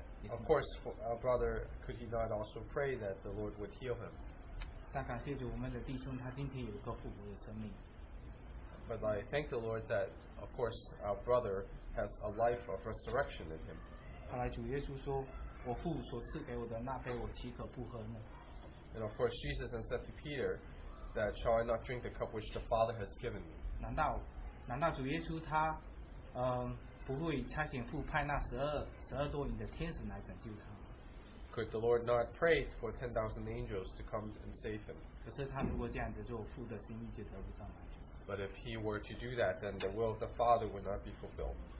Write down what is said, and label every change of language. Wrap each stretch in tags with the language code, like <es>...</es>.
<en>Of course, for our brother, could he not also pray that the Lord would heal him?</en> <zh>但感谢主，我们的弟兄他今天有一个复活的生命。</zh> <en>But I thank the Lord that, of course, our brother has a life of resurrection in him.</en> <zh>后来主耶稣说：“我父所赐给我的那杯，我岂可不喝呢？”</zh> <en>And of course, Jesus then said to Peter, "That shall I not drink the cup which the Father has given me?"</en> <zh>难道主耶稣他，不会差遣父派那十二多名的天使来拯救他？</zh> <en>Could the Lord not pray for 10,000 angels to come and save him? But if he were to do that, then the will of the Father would not be fulfilled.</en>